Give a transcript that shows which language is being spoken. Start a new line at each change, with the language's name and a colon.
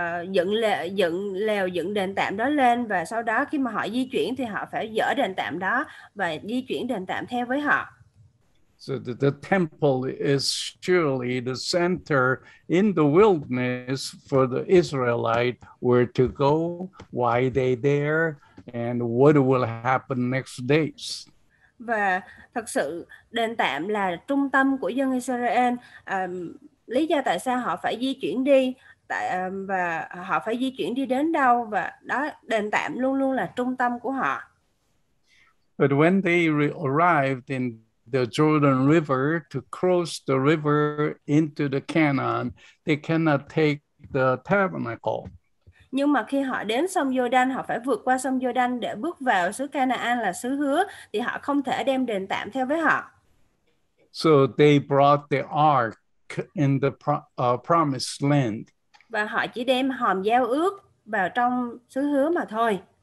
Vietnamese: dựng lều dựng đền tạm đó lên, và sau đó khi mà họ di chuyển thì họ phải dỡ đền tạm đó và di chuyển đền tạm theo với họ.
English: So the temple is surely the center in the wilderness for the Israelite, where to go, why they there, and what will happen next days.
Vietnamese: Và thật sự đền tạm là trung tâm của dân Israel, lý do tại sao họ phải di chuyển đi tại, và họ phải di chuyển đi đến đâu, và đó đền tạm luôn luôn là trung tâm của họ.
English: But when they arrived in the Jordan River to cross the river into the Canaan, they cannot take the tabernacle.
Vietnamese: Nhưng mà khi họ đến sông Jordan, họ phải vượt qua sông Jordan để bước vào xứ Canaan là xứ hứa, thì họ không thể đem đền tạm theo với họ.
English: So they brought the ark in the promised land.
Vietnamese: Và họ chỉ đem hòm giao ước vào trong xứ hứa mà thôi.